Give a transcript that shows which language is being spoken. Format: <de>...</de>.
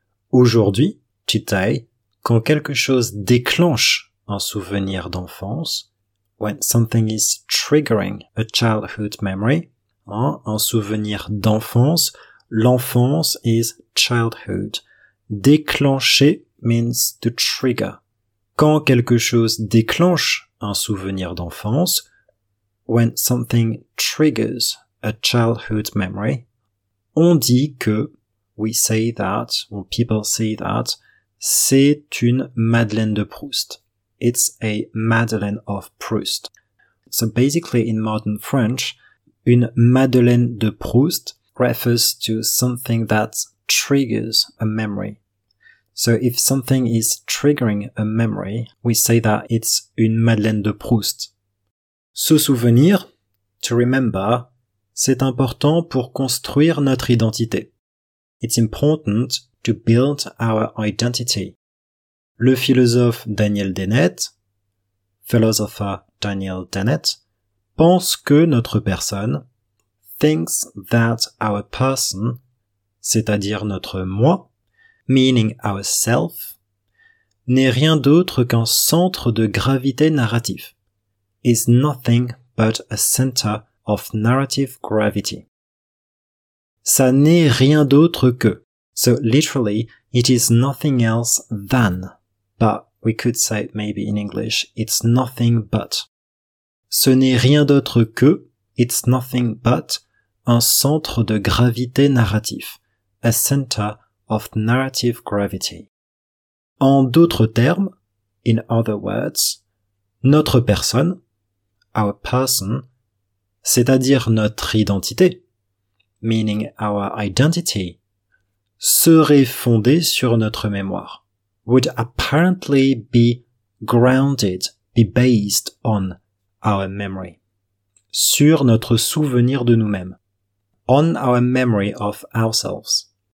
<fr>Aujourd'hui,</fr> <en>today,</en> <fr>quand quelque chose déclenche un souvenir d'enfance,</fr> <en>when something is triggering a childhood memory,</en> <fr>hein, un souvenir d'enfance, l'enfance</fr> <en>is childhood.</en> <fr>Déclencher means to trigger. Quand quelque chose déclenche un souvenir d'enfance,</fr> <en>when something triggers a childhood memory,</en> <fr>on dit que,</fr> <en>we say that, or people say that,</en> <fr>c'est une Madeleine de Proust.</fr> <en>It's a Madeleine of Proust. So basically, in modern French, une Madeleine de Proust refers to something that triggers a memory. So if something is triggering a memory, we say that it's une Madeleine de Proust.</en> <fr>Se souvenir,</fr> <en>to remember,</en> <fr>c'est important pour construire notre identité.</fr> <en>It's important to build our identity.</en> <fr>Le philosophe Daniel Dennett,</fr> <en>philosopher Daniel Dennett,</en> <fr>pense que notre personne,</fr> <en>thinks that our person,</en> <fr>c'est-à-dire notre moi,</fr> <en>meaning ourself,</en> <fr>n'est rien d'autre qu'un centre de gravité narratif,</fr> <en>is nothing but a center of narrative gravity.</en> <fr>Ça n'est rien d'autre que.</fr> <en>So literally, it is nothing else than. But we could say maybe in English, it's nothing but.</en> <fr>Ce n'est rien d'autre que,</fr> <en>it's nothing but,</en> <fr>un centre de gravité narratif.</fr> <en>A center of narrative gravity.</en> <fr>En d'autres termes,</fr> <en>in other words,</en> <fr>notre personne,</fr> <en>our person,</en> <fr>c'est-à-dire notre identité,</fr> <en>meaning our identity,</en> <fr>serait fondée sur notre mémoire,</fr> <en>would apparently be grounded, be based on our memory,</en> <fr>sur notre souvenir de nous-mêmes,</fr> <en>on our memory of ourselves.</en>